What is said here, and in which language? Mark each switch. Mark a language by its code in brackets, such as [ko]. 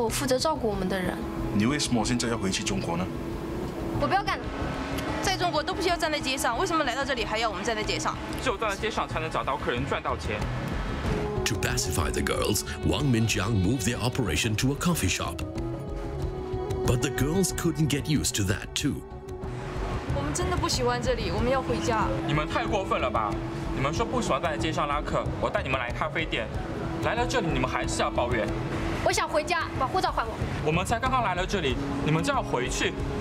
[zh] 在中国，我付了一个叫李先生的人5000块人民币，是他帮我们来这里的。那谁是王明江跟王友义？他是我们来这以后负责照顾我们的人。你为什么现在要回去中国呢？我不要干了。在中国都不需要站在街上，为什么来到这里还要我们站在街上？只有站在街上才能找到客人，赚到钱。 [en] To pacify the girls, Wang Minjiao moved their operation to a coffee shop. But the girls couldn't get used to that too. [zh] 我们真的不喜欢这里，我们要回家。你们太过分了吧！你们说不喜欢站在街上拉客，我带你们来咖啡店。来了这里你们还是要抱怨。我想回家，把护照还我。我们才刚刚来了这里，你们就要回去？